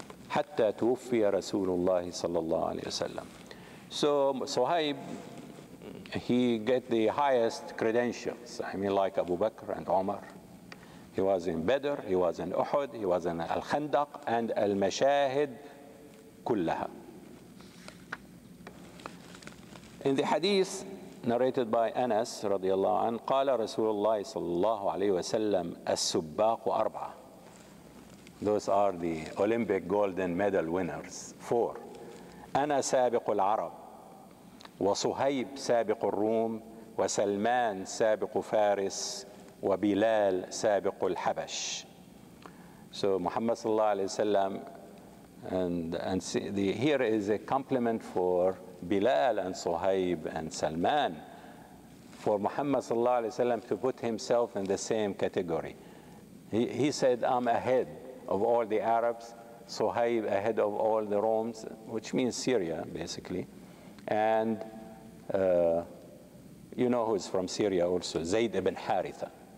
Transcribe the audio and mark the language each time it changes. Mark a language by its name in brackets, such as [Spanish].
[Arabic] حَتَّى تُوفِّيَ رَسُولُ اللَّهِ صَلَّى اللَّهُ عَلَيْهِ وَسَلَّمُ. [English] So Suhaib, he get the highest credentials. I mean, like Abu Bakr and Umar. He was in Badr, he was in Uhud, he was in Al-Khandaq and Al-Mashahid kullaha. [Arabic] In the hadith narrated by Anas radiallahu anhu, قال رسول الله صلى الله عليه وسلم السباق أربعة. [English] Those are the Olympic golden medal winners. [Arabic] Four. أنا سابق العرب. وصهيب سابق الروم وسلمان سابق فارس وبلال سابق الحبش. [English] So Muhammad sallallahu alayhi wa sallam, and see the, here is a compliment for Bilal and Suhaib and Salman, for Muhammad sallallahu alayhi wa sallam to put himself in the same category. He said, I'm ahead of all the Arabs, Suhaib ahead of all the Romans, which means Syria basically, and you know who is from Syria also, Zayd ibn Haritha.